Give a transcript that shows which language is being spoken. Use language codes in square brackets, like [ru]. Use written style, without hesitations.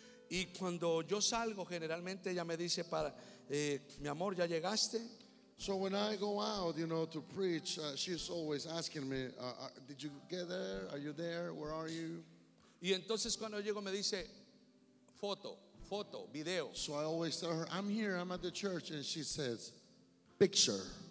[es] Y cuando yo salgo, generalmente ella me dice para, mi amor, ya llegaste. [en] So when I go out, you know, to preach, she's always asking me, did you get there? Are you there? Where are you? [es] Y entonces cuando llego me dice, foto, video. [en] So I always tell her, I'm here, I'm at the church, and she says, picture.